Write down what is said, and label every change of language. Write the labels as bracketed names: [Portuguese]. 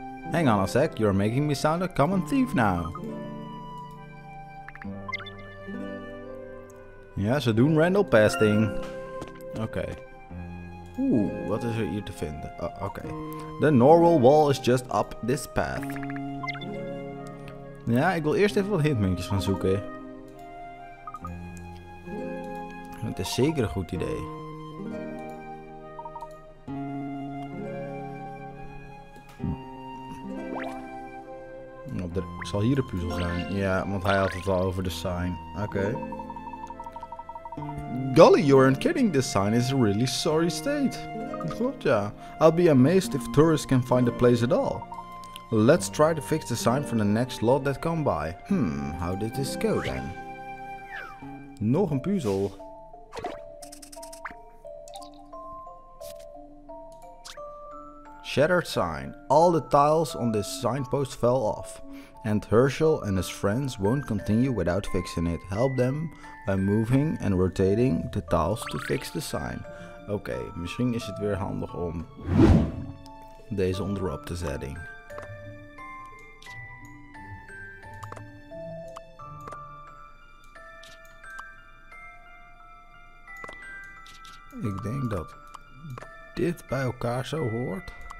[English] Hang on a sec, you're making me sound a common thief now. [Dutch] Ja, ze doen random pasting. Oké. Okay. Oeh, wat is er hier te vinden? Oké. Okay. [English] The normal wall is just up this path. [Dutch] Ja, ik wil eerst even wat hintmuntjes gaan zoeken. Het is zeker een goed idee. Er zal hier een puzzel zijn. Ja, want hij had het al over de sign. Oké. Okay. [English] Golly, you aren't kidding. This sign is a really sorry state. [Dutch] Klopt, ja. [English] I'll be amazed if tourists can find the place at all. Let's try to fix the sign for the next lot that come by. How did this go then? [Dutch] Nog een puzzel. [English] Shattered sign. All the tiles on this signpost fell off. And Herschel and his friends won't continue without fixing it. Help them by moving and rotating the tiles to fix the sign. [Dutch] Oké, misschien is het weer handig om deze onder op te zetten. Ik denk dat dit bij elkaar zo hoort.